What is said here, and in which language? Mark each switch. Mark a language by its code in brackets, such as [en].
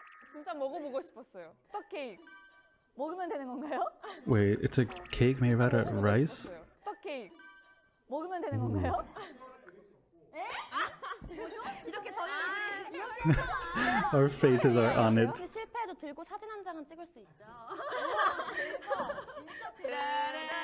[ko] 진짜 먹어보고 싶었어요. 떡케이크 먹으면 되는 건가요? [en] Wait, it's a cake made out of rice? [ko] 떡케이크 먹으면 되는 건가요? 에? 이렇게 저는 이렇게 [en] Our faces are on it. [ko] 혹시 실패해도 들고 사진 한 장은 찍을 수 있죠. 진짜 대박.